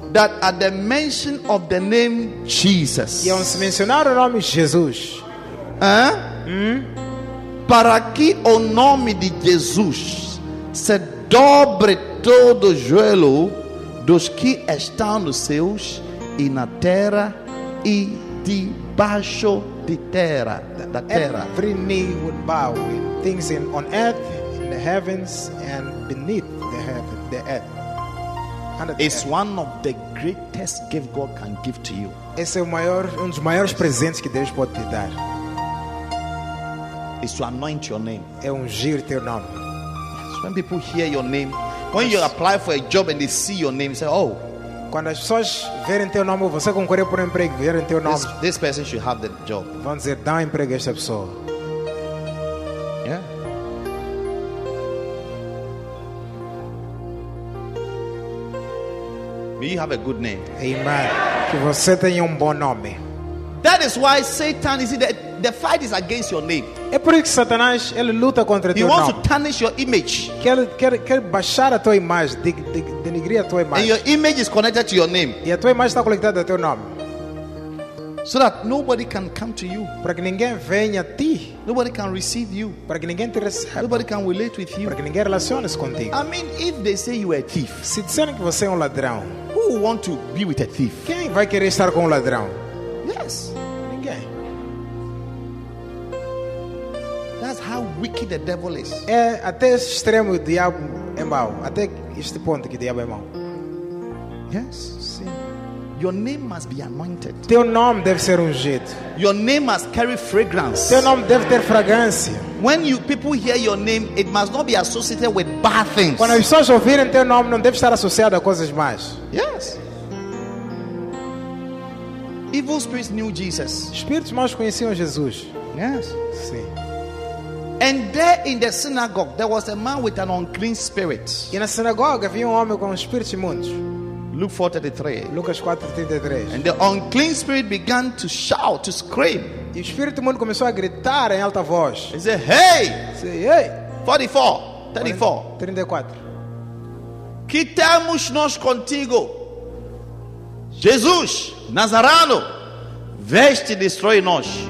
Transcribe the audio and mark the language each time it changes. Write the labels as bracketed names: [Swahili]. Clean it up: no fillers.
[English] that at the mention of the name Jesus, [Portuguese] e ao se mencionar o nome Jesus, para que o nome de Jesus se dobre todo o joelho dos que estão nos céus e na terra e debaixo de terra, da terra. [English] Every knee would bow in things in on earth, in the heavens, and beneath the heaven, the earth. Under the it's earth. One of the greatest gift God can give to you. [Portuguese] Esse é o maior, um dos maiores presentes que Deus pode te dar. [English] It's to anoint your name. [Portuguese] É ungir teu nome. [English] So when people hear your name, when you apply for a job and they see your name, say, oh. [Portuguese] Quando as pessoas verem teu nome, você concorreu por um emprego, verem teu nome. [English] This person should have the job. [Portuguese] Vão dizer, dá um emprego a esta pessoa. [English] Yeah. May you have a good name. [Portuguese] Amen. Que você tenha bom nome. [English] That is why Satan is the fight is against your name. [Portuguese] É por isso que Satanás ele luta contra [English] he [Portuguese] teu [English] wants [Portuguese] nome. [English] To tarnish your image. [Portuguese] Quer baixar a tua imagem, denigrir a tua imagem. [English] And your image is connected to your name. [Portuguese] E a tua imagem está conectada ao teu nome. [English] So that nobody can come to you. [Portuguese] Para que ninguém venha a ti. [English] Nobody can receive you. [Portuguese] Para que ninguém te receba. [English] Nobody can relate with you. [Portuguese] Para que ninguém relacione contigo. [English] I mean, if they say you are a thief, [Portuguese] se disserem que você é ladrão, [English] who want to be with a thief? [Portuguese] Quem vai querer estar com ladrão? [English] Yes. [Portuguese] Ninguém. [English] That's how wicked the devil is. [Portuguese] É até esse extremo o diabo é mau. Até este ponto que o diabo é mau. [English] Yes. Your name must be anointed. [Portuguese] Teu nome deve ser ungido. [English] Your name must carry fragrance. [Portuguese] Teu nome deve ter fragrância. [English] When you people hear your name, it must not be associated with bad things. [Portuguese] Quando as pessoas ouvirem teu nome, não deve estar associado a coisas más. [English] Yes. Evil spirits knew Jesus. [Portuguese] Espíritos maus conheciam Jesus. [English] Yes. [Portuguese] Sim. [English] And there in the synagogue, there was a man with an unclean spirit. [Portuguese] E na sinagoga havia homem com espírito imundo. [English] Luke 4:33. And the unclean spirit began to shout, to scream. [Portuguese] E o espírito imundo começou a gritar em alta voz. [English] He said, "Hey!" Say, "Hey!" [Portuguese] 34. Que temos nós contigo, Jesus Nazareno? Veste destrói nós.